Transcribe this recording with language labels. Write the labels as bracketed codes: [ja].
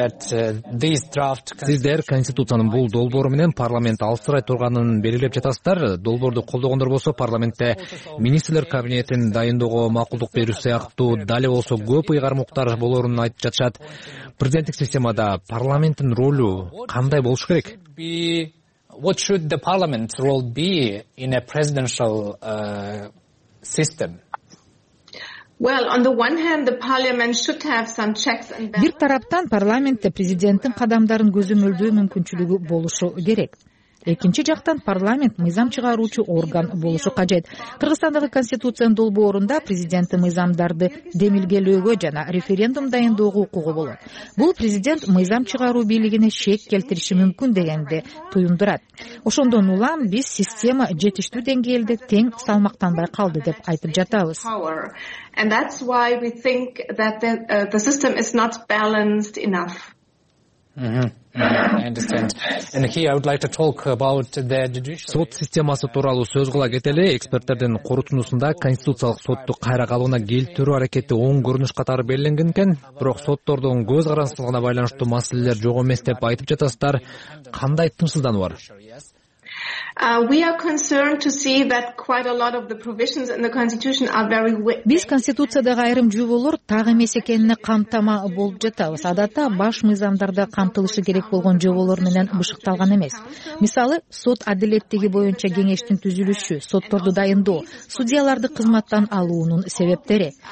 [ky] Сиздер конституциянын бул долбоору менен парламент алсырай турганын белгилеп жатасыздар. Долбоорду колдогондор болсо, парламентте министрлер кабинетин дайындоого макулдук берүү сыяктуу дале болсо көп ыйгарым укуктар болорун айтып жатышат. Президенттик системада парламенттин ролу кандай болуш керек? [en] What should the parliament's role be in a presidential system? Well, on the one hand, the parliament should have some checks and balances. [ky] Бир тараптан парламентте президенттин кадамдарын көзөмөлдөө мүмкүнчүлүгү болушу керек. Экинчи жактан парламент мыйзам чыгаруучу орган болушу кажет. Кыргызстандагы конституциянын долбоорунда президенттин мыйзамдарды демилгелөөгө жана референдум дайындоого укугу болот. Бул президент мыйзам чыгаруу бийлигине шек келтириши мүмкүн дегенди туюндурат. Ошондон улам биз система жетиштүү деңгээлде тең салмактанбай калды деп айтып жатабыз. [en] And that's why we think that the system is not balanced enough. I understand. And here I would like to talk about the judicial. [ky] Сот системасы тууралуу сөз кыла кетели, эксперттердин корутундусунда конституциялык сотту кайра калыбына келтирүү аракети оң көрүнүш катары белгиленген экен, бирок соттордун көз карансыздыгына байланыштуу маселелер жок эмес деп айтып жатасыздар. Кандай тынчсыздануу бар? [en] We are concerned to see that quite a lot of the provisions in the constitution are very weak. [ky] Биз конституциядагы айрым жүйөлөр так эмес экенине камтама болуп жатабыз. Адатта баш мыйзамдарда камтылышы керек болгон жүйөлөр менен бышыкталган эмес. Мисалы, сот адилеттиги боюнча кеңештин түзүлүшү, сотторду дайындоо, судьяларды кызматтан алуунун себептери.